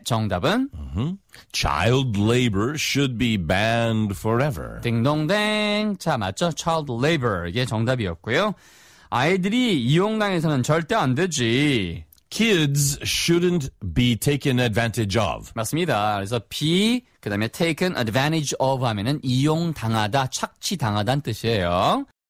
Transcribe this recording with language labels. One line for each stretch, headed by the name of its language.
Korean: 정답은?
English: Child labor should be banned forever.
Korean: 딩동댕. 자, 맞죠? Child labor. 이게 정답이었고요. 아이들이 이용당해서는 절대 안 되지.
English: Kids shouldn't be taken advantage of.
Korean: 맞습니다. 그래서 be, 그 다음에 taken advantage of 하면은 이용당하다, 착취당하다는 뜻이에요.